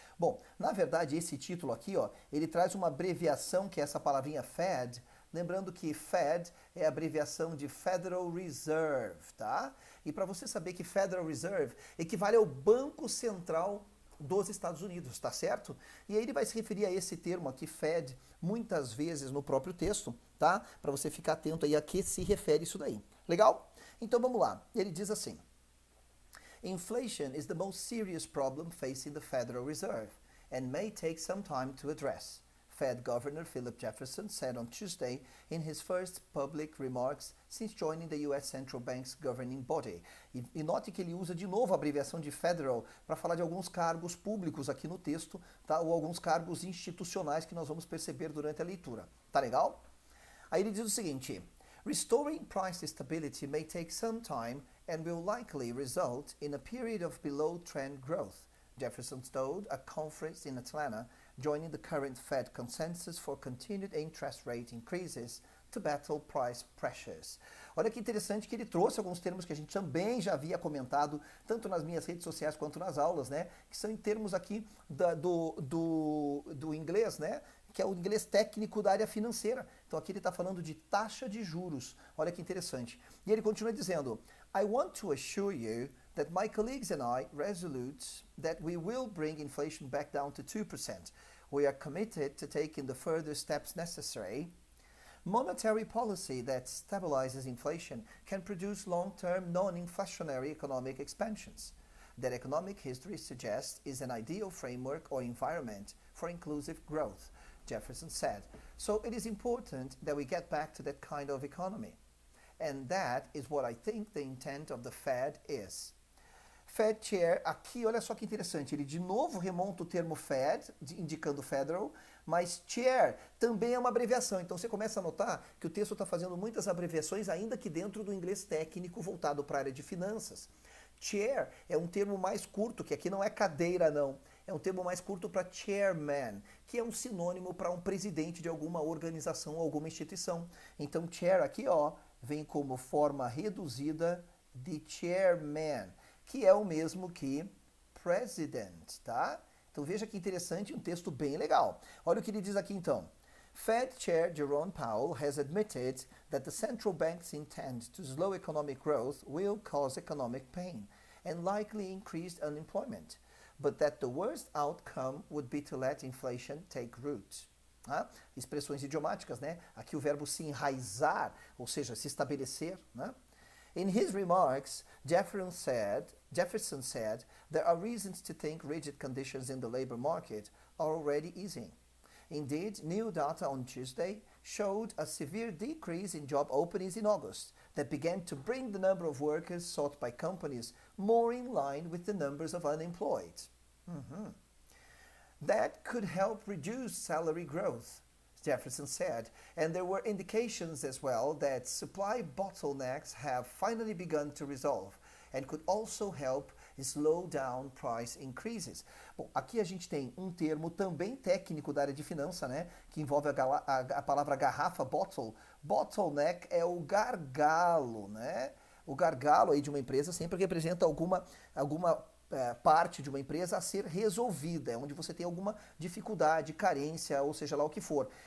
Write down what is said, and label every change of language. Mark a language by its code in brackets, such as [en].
[pt] Bom, na verdade, esse título aqui, ó, ele traz uma abreviação que é essa palavrinha Fed, lembrando que Fed é a abreviação de Federal Reserve, tá? E para você saber que Federal Reserve equivale ao Banco Central dos Estados Unidos, tá certo? E aí ele vai se referir a esse termo aqui, Fed, muitas vezes no próprio texto, tá? Para você ficar atento aí a que se refere isso daí. Legal? Então vamos lá. Ele diz assim: [en] Inflation is the most serious problem facing the Federal Reserve and may take some time to address, Fed Governor Philip Jefferson said on Tuesday in his first public remarks since joining the US Central Bank's governing body. [pt] E note que ele usa de novo a abreviação de federal para falar de alguns cargos públicos aqui no texto, tá? Ou alguns cargos institucionais que nós vamos perceber durante a leitura. Tá legal? Aí ele diz o seguinte: [en] Restoring price stability may take some time and will likely result in a period of below-trend growth, Jefferson told a conference in Atlanta, joining the current Fed consensus for continued interest rate increases to battle price pressures. [pt] Olha que interessante que ele trouxe alguns termos que a gente também já havia comentado, tanto nas minhas redes sociais quanto nas aulas, né? Que são em termos aqui do inglês, né? Que é o inglês técnico da área financeira. Então aqui ele está falando de taxa de juros. Olha que interessante. E ele continua dizendo: [en] I want to assure you that my colleagues and I resolute that we will bring inflation back down to 2%. We are committed to taking the further steps necessary. Monetary policy that stabilizes inflation can produce long-term non-inflationary economic expansions that economic history suggests is an ideal framework or environment for inclusive growth, Jefferson said. So it is important that we get back to that kind of economy. And that is what I think the intent of the Fed is. [pt] Fed Chair, aqui, olha só que interessante, ele de novo remonta o termo Fed, indicando Federal, mas Chair também é uma abreviação. Então você começa a notar que o texto está fazendo muitas abreviações, ainda que dentro do inglês técnico voltado para a área de finanças. Chair é um termo mais curto, que aqui não é cadeira, não. É um termo mais curto para chairman, que é um sinônimo para um presidente de alguma organização ou alguma instituição. Então, chair aqui, ó, vem como forma reduzida de chairman, que é o mesmo que president, tá? Então veja que interessante, um texto bem legal. Olha o que ele diz aqui então: [en] Fed Chair Jerome Powell has admitted that the central bank's intent to slow economic growth will cause economic pain and likely increase unemployment, but that the worst outcome would be to let inflation take root. [pt] Ah, expressões idiomáticas, né? Aqui o verbo se enraizar, ou seja, se estabelecer, né? [en] In his remarks, Jefferson said, there are reasons to think rigid conditions in the labor market are already easing. Indeed, new data on Tuesday showed a severe decrease in job openings in August that began to bring the number of workers sought by companies more in line with the numbers of unemployed. That could help reduce salary growth, Jefferson said, and there were indications as well that supply bottlenecks have finally begun to resolve and could also help slow down price increases. [pt] Bom, aqui a gente tem um termo também técnico da área de finança, né, que envolve a palavra garrafa, bottle, Bottleneck é o gargalo, né? O gargalo aí de uma empresa sempre representa alguma parte de uma empresa a ser resolvida, é onde você tem alguma dificuldade, carência, ou seja lá o que for.